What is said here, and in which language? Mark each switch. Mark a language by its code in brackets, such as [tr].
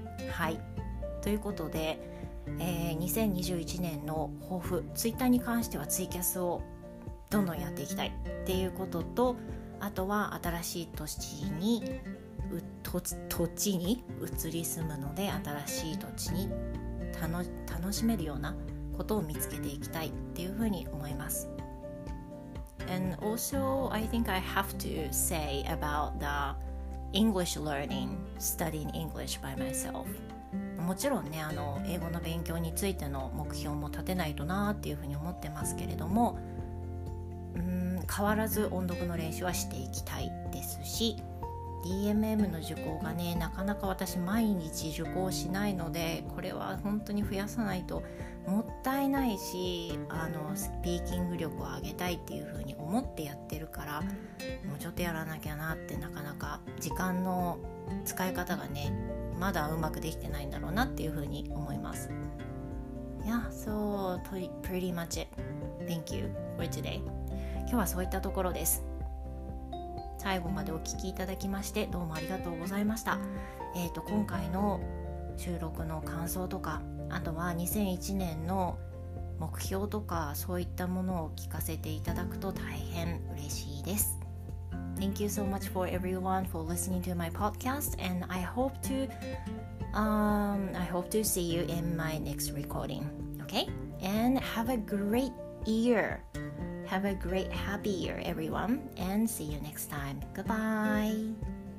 [ja] はい、ということで、2021年の抱負、ツイッターに関してはツイキャスをどんどんやっていきたいっていうことと、あとは新しい年に土地に移り住むので、新しい土地に楽しめるようなことを見つけていきたいっていうふうに思います。 [en] And also I think I have to say about the English learning, studying English by myself. [ja] もちろんね、英語の勉強についての目標も立てないとなっていうふうに思ってますけれども、変わらず音読の練習はしていきたいですし、 DMM の受講がね、なかなか私毎日受講しないので、これは本当に増やさないともったいないし、スピーキング力を上げたいっていうふうに思ってやってるから、もうちょっとやらなきゃなって、なかなか時間の使い方がねまだうまくできてないんだろうなっていうふうに思います。 [en] Yeah, so pretty much it. Thank you for today. [ja] 今日はそういったところです。最後までお聞きいただきましてどうもありがとうございました。今回の収録の感想とか、あとは2001年の目標とか、そういったものを聞かせていただくと大変嬉しいです。 [en] Thank you so much for everyone for listening to my podcast, and I hope to see you in my next recording, okay? And have a great year. Have a great happy year, everyone, and see you next time. Goodbye.